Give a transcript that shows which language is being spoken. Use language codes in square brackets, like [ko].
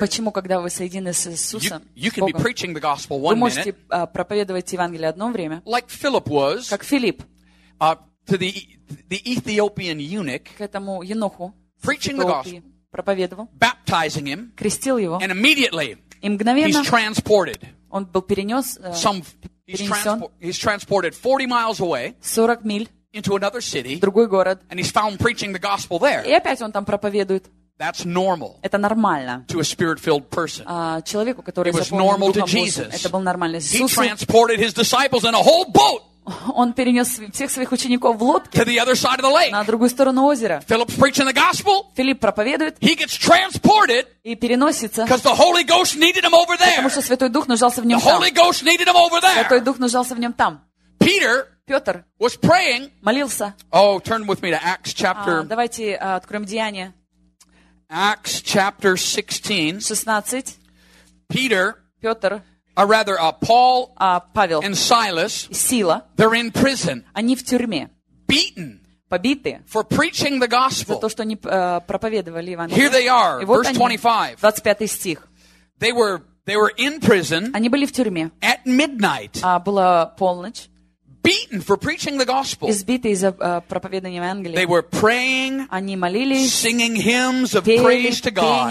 [ru] почему, когда вы соединены с Иисусом, [en] you can [ru] Богом, [en] be preaching the gospel one [ru] вы можете [en] minute, [ru] проповедовать Евангелие одно время, [en] like Philip was, [ru] как Филипп, [en] to the Ethiopian eunuch, [ru] к этому еноху, [en] preaching the gospel, [ru] проповедовал, [en] baptizing him, [ru] крестил его, [en] and immediately, [ru] и мгновенно, [en] he's transported. [ru] Он был перенес, [en] he's transported 40 miles away, [ru] 40 миль, [en] into another city, [ru] в другой город, [en] and he's found preaching the gospel there. [ru] И опять он там проповедует. [en] That's normal. [ru] Это нормально. [en] To a spirit-filled person. [ru] Человеку, который заполнен духом. [en] It was normal to Jesus. [ru] Это был нормально Иисусу. [en] He transported his disciples in a whole boat. [ru] Он перенес всех своих учеников в лодке на другую сторону озера. Филипп проповедует. [en] He gets transported [ru] и переносится, [en] because the Holy Ghost needed him over there. [ru] Потому что Святой Дух нуждался в нем там. [en] The Holy Ghost needed him over there. [ru] Святой Дух нуждался в нем там. [en] Петр was praying. [ru] Молился. [en] Oh, turn with me to Acts chapter. [ru] Давайте откроем Деяния. [en] Acts chapter 16. [ru] 16. Петр. А [en] rather, Paul [ru] Павел [en] and Silas, [ru] Сила, [en] they're in prison, [ru] они в тюрьме, [en] beaten, [ru] побиты, [en] for preaching the gospel. [ru] За то, что они проповедовали Евангелие. [en] Here they are, [ru] вот [en] verse 25. [ru] 25 стих. [en] They were in prison. [ru] Они были в тюрьме. [en] At midnight. [ru] Была полночь. [en] Beaten for preaching the gospel. [ru] Избиты из-за проповедания Евангелия. [en] They were praying. [ru] Они молились. [en] Singing hymns of praise to God.